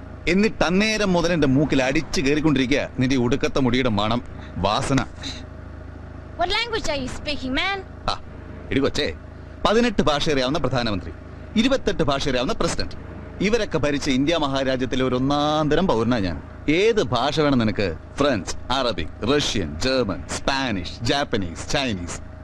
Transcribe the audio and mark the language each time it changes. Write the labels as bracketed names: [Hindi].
[Malayalam] എന്നിട്ട് അന്നേരം മുതൽ എന്റെ മൂക്കിൽ അടിച്ച് കയറിക്കൊണ്ടിരിക്കുക. നിന്റെ ഉടുക്കത്ത മുടിയുടെ മണം വാസന. [English] What language are you speaking, man? [Malayalam] ഇടി കൊച്ചേ, 18 ഭാഷ അറിയാവുന്ന പ്രധാനമന്ത്രി, 28 ഭാഷ അറിയാവുന്ന പ്രസിഡന്റ്, ഇവരൊക്കെ ഭരിച്ച ഇന്ത്യ മഹാരാജ്യത്തിലെ ഒരു ഒന്നാന്തരം പൗരനാ ഞാൻ. ഏത് ഭാഷ വേണം നിനക്ക്? French, Arabic, Russian, German, Spanish, Japanese, Chinese.